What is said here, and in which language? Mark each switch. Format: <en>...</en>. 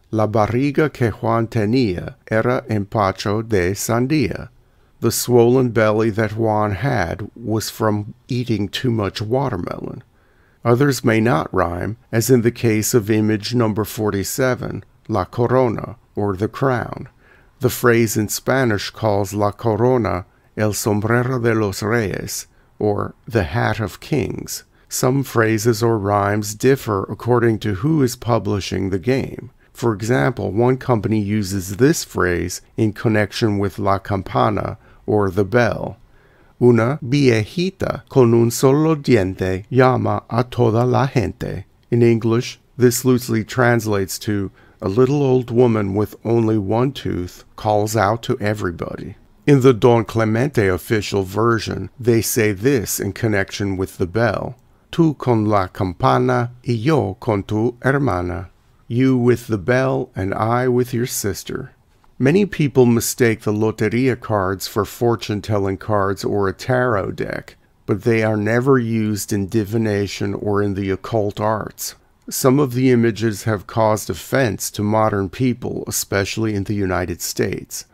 <es>La barriga que Juan tenía era empacho de sandía.</es> <en>The swollen belly that Juan had was from eating too much watermelon. Others may not rhyme, as in the case of image number 47, La Corona, or the crown. The phrase in Spanish calls La Corona el sombrero de los reyes, or the hat of kings. Some phrases or rhymes differ according to who is publishing the game. For example, one company uses this phrase in connection with La Campana, or the bell.</en> <es>Una viejita con un solo diente llama a toda la gente.</es> <en>In English, this loosely translates to a little old woman with only one tooth calls out to everybody. In the Don Clemente official version, they say this in connection with the bell.</en> <es>Tú con la campana y yo con tu hermana.</es> <en>You with the bell and I with your sister. Many people mistake the Lotería cards for fortune-telling cards or a tarot deck, but they are never used in divination or in the occult arts. Some of the images have caused offense to modern people, especially in the United States.</en>